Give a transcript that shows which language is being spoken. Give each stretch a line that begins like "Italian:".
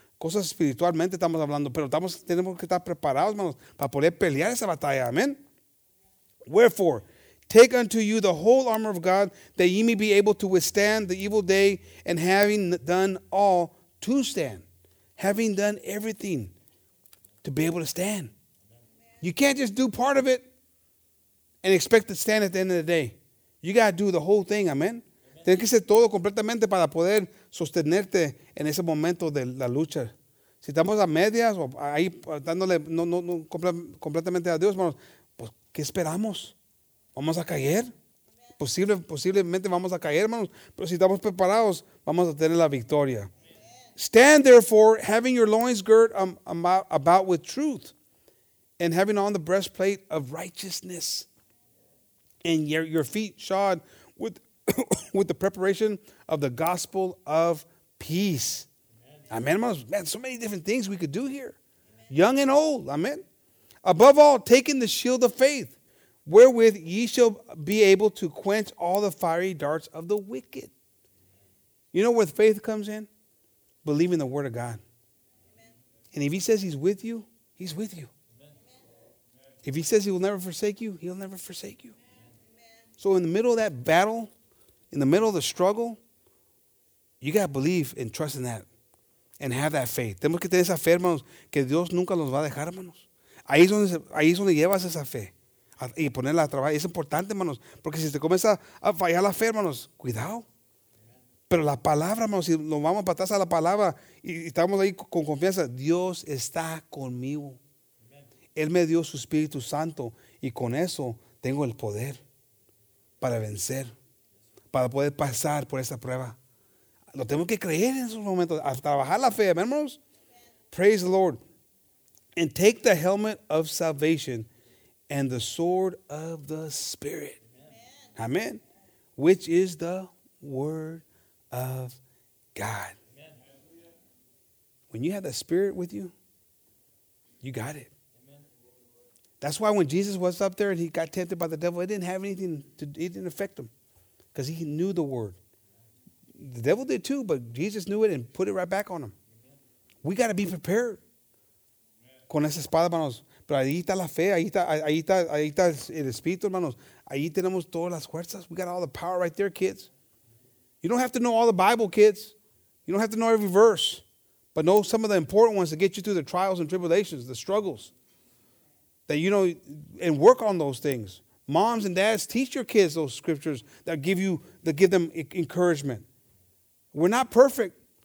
Spanish: Cosas espiritualmente estamos hablando, pero tenemos que estar preparados, hermanos, para poder pelear esa batalla. Amén.
English: Wherefore, take unto you the whole armor of God, that ye may be able to withstand the evil day, and having done all, to stand. Having done everything, to be able to stand. You can't just do part of it and expect to stand at the end of the day. You got to do the whole thing, amen?
Spanish: Tienes que hacer todo completamente para poder sostenerte en ese momento de la lucha. Si estamos a medias o ahí dándole completamente a Dios, hermanos, pues, ¿qué esperamos? ¿Vamos a caer? Posiblemente vamos a caer, hermanos, pero si estamos preparados, vamos a tener la victoria. Stand, therefore, having your loins girt about with truth, and having on the breastplate of righteousness, and your feet shod with with the preparation of the gospel of peace. Amen. Amen, man, so many different things we could do here. Amen. Young and old. Amen. Above all, taking the shield of faith, wherewith ye shall be able to quench all the fiery darts of the wicked. You know where faith comes in? Believing the word of God. Amen. And if he says he's with you, he's with you. Amen. If he says he will never forsake you, he'll never forsake you. Amen. So in the middle of that battle, in the middle of the struggle, you got to believe and trust in that. And have that faith. Tenemos que tener esa fe, hermanos, que Dios nunca los va a dejar, hermanos. Ahí es donde llevas esa fe. Y ponerla a trabajar. Es importante, hermanos. Porque si te comienza a fallar la fe, hermanos, cuidado. Pero la palabra, hermanos, si nos vamos para atrás a la palabra y estamos ahí con confianza, Dios está conmigo. Amen. Él me dio su Espíritu Santo y con eso tengo el poder para vencer, para poder pasar por esta prueba. Lo tengo que creer en esos momentos, hasta trabajar la fe, hermanos.
English: Praise the Lord. And take the helmet of salvation and the sword of the Spirit. Amen. Amen. Which is the word of God. When you have the Spirit with you, you got it. That's why when Jesus was up there and he got tempted by the devil, it didn't have anything to, it didn't affect him, because he knew the word. The devil did too, but Jesus knew it and put it right back on him. We got to be prepared.
Spanish: Con esa espada, hermanos. Pero ahí está la fe, ahí está el espíritu, hermanos. Ahí tenemos todas las fuerzas.
English: We got all the power right there, kids. You don't have to know all the Bible, kids. You don't have to know every verse. But know some of the important ones to get you through the trials and tribulations, the struggles. That you know, and work on those things. Moms and dads, teach your kids those scriptures that give them encouragement. We're not perfect.